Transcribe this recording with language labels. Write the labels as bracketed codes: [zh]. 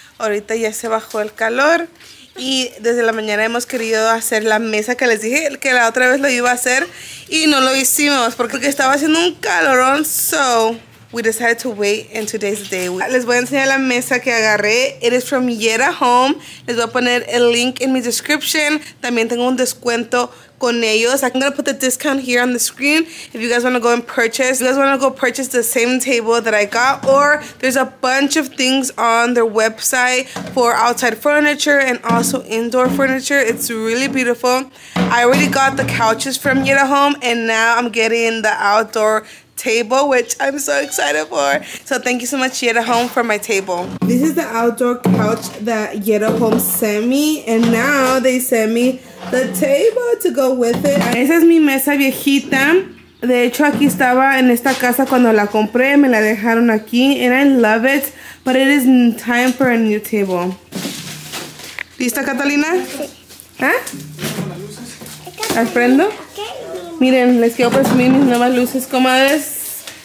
[es] Ahorita ya se bajó el calor y desde la mañana hemos querido hacer la mesa que les dije que la otra vez lo iba a hacer y no lo hicimos porque estaba haciendo un calorón. [en] So, we decided to wait and today's the day. [es] Les voy a enseñar la mesa que agarré. [en] It is from Yera Home. [es] Les voy a poner el link en mi description. También tengo un descuento con ellos. [en] I'm gonna put the discount here on the screen if you guys wanna go and purchase. If you guys wanna go purchase the same table that I got, or there's a bunch of things on their website for outside furniture and also indoor furniture. It's really beautiful. I already got the couches from Yera Home and now I'm getting the outdoor table, which I'm so excited for. So thank you so much, Yera Home, for my table. This is the outdoor couch that Yera Home sent me, and now they sent me the table to go with it. [es] Esa es mi mesa viejita. De hecho, aquí estaba en esta casa cuando la compré. Me la dejaron aquí, [en] and I love it, but it is time for a new table. [es] ¿Lista, Catalina? ¿Ah? ¿Las prendo? Miren, les quiero presumir mis nuevas luces, comadres.